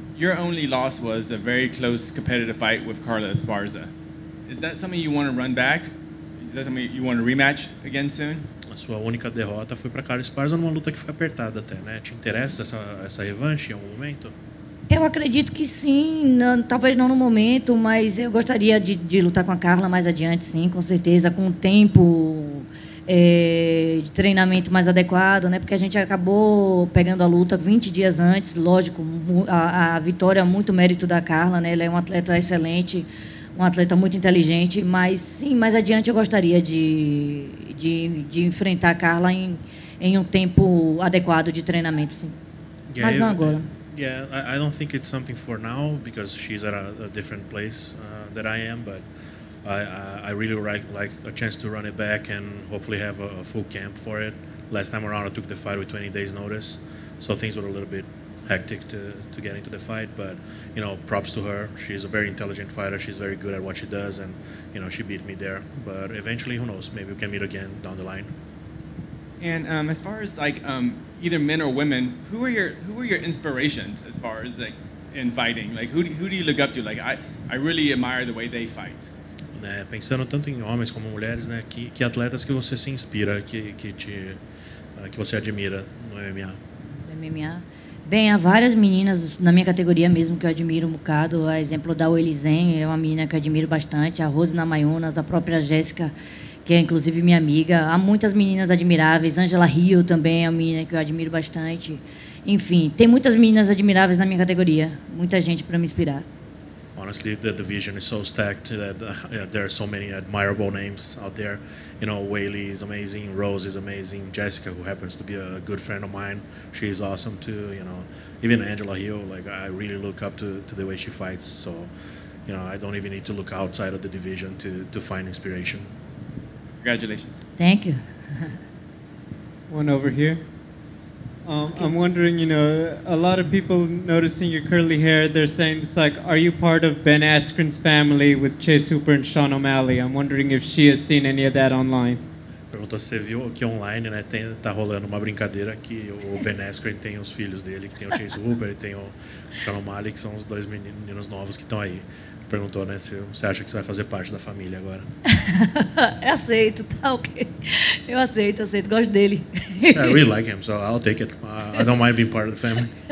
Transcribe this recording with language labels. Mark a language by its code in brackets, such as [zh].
[en] Your only loss was a very close competitive fight with Carla Esparza. Is that something you want to run back? Is that something you want to rematch again soon? [pt] A sua única derrota foi para Carla Esparza numa luta que foi apertada até, né? Te interessa essa revanche em algum momento? Eu acredito que sim, talvez não no momento, mas eu gostaria de lutar com a Carla mais adiante, sim, com certeza, com o tempo de treinamento mais adequado, né? Porque a gente acabou pegando a luta 20 dias antes, lógico, a vitória é muito mérito da Carla, né? Ela é uma atleta excelente. Um atleta muito inteligente, mas sim, mais adiante eu gostaria de enfrentar a Carla em um tempo adequado de treinamento, sim. Yeah, mas não agora. [en] Yeah, I don't think it's something for now because she's at a different place that I am, but I really like a chance to run it back and hopefully have a full camp for it. Last time around I took the fight with 20 days notice, so things were a little bit hectic to get into the fight, but you know, props to her. She's a very intelligent fighter. She's very good at what she does, and you know, she beat me there. But eventually, who knows? Maybe we can meet again down the line. And as far as like either men or women, who are your inspirations as far as like in fighting? Like who do you look up to? Like I really admire the way they fight. [pt] Né, pensando tanto em homens como mulheres, né? Que atletas que você se inspira, que você admira no MMA? MMA. Bem, há várias meninas na minha categoria mesmo que eu admiro um bocado. A exemplo da Weili Zhen, é uma menina que eu admiro bastante. A Rose Namajunas, a própria Jéssica, que é inclusive minha amiga. Há muitas meninas admiráveis. Angela Hill também é uma menina que eu admiro bastante. Enfim, tem muitas meninas admiráveis na minha categoria. Muita gente para me inspirar. [en] Honestly, the division is so stacked that there are so many admirable names out there. You know, Weili is amazing, Rose is amazing, Jessica, who happens to be a good friend of mine, she is awesome too, you know. Even Angela Hill, like, I really look up to the way she fights, so, you know, I don't even need to look outside of the division to find inspiration. Congratulations. Thank you. One over here. Okay. I'm wondering, you know, a lot of people noticing your curly hair, they're saying it's like, are you part of Ben Askren's family with Chase Hooper and Sean O'Malley? I'm wondering if she has seen any of that online. [pt] Perguntou se você viu que online, né, tem, tá rolando uma brincadeira que o Ben Askren tem os filhos dele, que tem o Chase Hooper e tem o Sean O'Malley, que são os dois meninos novos que estão aí. Perguntou, né, se você acha que você vai fazer parte da família agora. Eu aceito, tá ok. Eu aceito, aceito. Gosto dele. [en] I really like him, so I'll take it. I don't mind being part of the family.